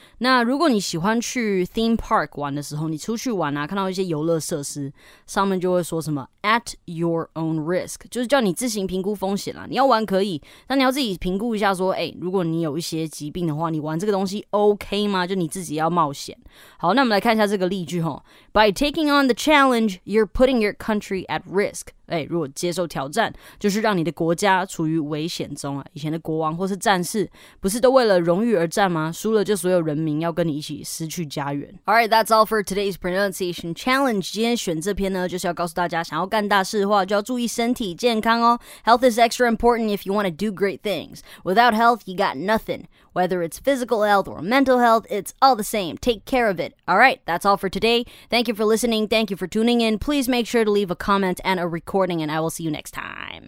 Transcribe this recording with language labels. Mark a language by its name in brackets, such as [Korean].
[Chinese] 那如果你喜欢去 theme park 玩的时候，你出去玩啊，看到一些游乐设施，上面就会说什么 [English] at your own risk， [Chinese] 就是叫你自行评估风险啦。你要玩可以，但你要自己评估一下说，欸，如果你有一些疾病的话，你玩这个东西 OK 吗？就你自己要冒险。好，那我们来看一下这个例句齁。 [English] By taking on the challenge, you're putting your country at risk. [Chinese] 欸，如果接受挑战，就是让你的国家处于危险中啊。以前的国王或是战士，不是都为了荣誉而战吗？输了就所有人民要跟你一起失去家园。 [English] Alright, that's all for today's pronunciation challenge. [Chinese] 今天选这篇呢，就是要告诉大家，想要干大事的话，就要注意身体健康哦。 [English] Health is extra important if you want to do great things. Without health, you got nothing. Whether it's physical health or mental health, it's all the same. Take care of it. Alright, that's all for today. Thank you for listening. Thank you for tuning in. Please make sure to leave a comment and a recording, and I will see you next time.